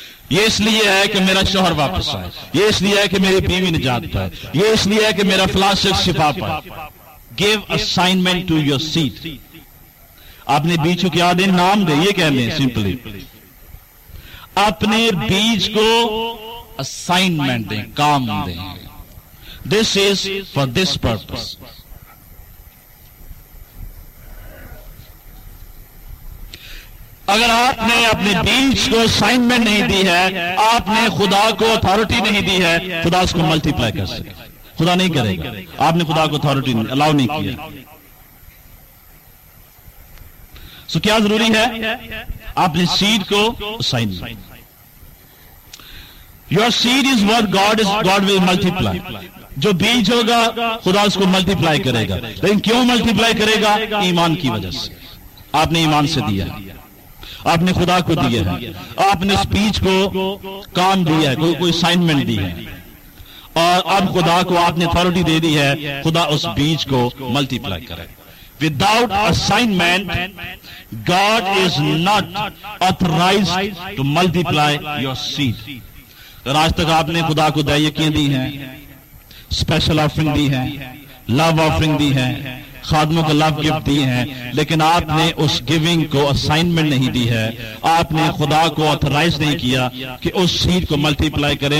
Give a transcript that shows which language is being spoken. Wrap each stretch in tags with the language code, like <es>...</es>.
<ur>یہ اس لیے ہے کہ میرا شوہر واپس آئے, یہ اس لیے ہے کہ میری بیوی نجات پائے, یہ اس لیے ہے کہ میرا فلاں شخص شفا پائے.</ur> <en>Give assignment to your seed.</en> <ur>آپ نے بیج کو کیا دیں؟ نام دیں. یہ کہہ لیں سمپلی اپنے بیج کو اسائنمنٹ دیں, کام دیں.</ur> <en>This is for this purpose.</en> <ur>اگر آپ نے اپنے بیج کو اسائنمنٹ نہیں دی ہے, آپ نے خدا کو اتھارٹی نہیں دی ہے, خدا اس کو ملٹی پلائی کر سکے. خدا نہیں کرے گا. آپ نے خدا کو اتھارٹی الاؤ نہیں کیا. سو کیا ضروری ہے؟ آپ نے سیڈ کو assignment.</ur> <en>Your seed is what God will multiply.</en> <ur>جو بیج ہوگا خدا اس کو ملٹی پلائی کرے گا. لیکن کیوں ملٹی پلائی کرے گا؟ ایمان کی وجہ سے. آپ نے ایمان سے دیا ہے, آپ نے خدا کو دیا ہے, آپ نے اس بیج کو کام دیا ہے, کوئی اسائنمنٹ دی ہے, اور اب خدا کو آپ نے اتھارٹی دے دی ہے, خدا اس بیج کو ملٹی پلائی کرے.</ur> <en>Without assignment, God is not authorized to multiply your seed.</en> <ur>آج تک آپ نے خدا کو دائیکیاں دی ہیں, اسپیشل آفرنگ دی ہیں, لو آفرنگ دی ہیں, خادموں کا لو گفٹ دی ہیں, لیکن آپ نے اس گیونگ کو اسائنمنٹ نہیں دی ہے. آپ نے خدا کو آتھرائز نہیں کیا کہ اس سیڈ کو ملٹی پلائی کرے.</ur>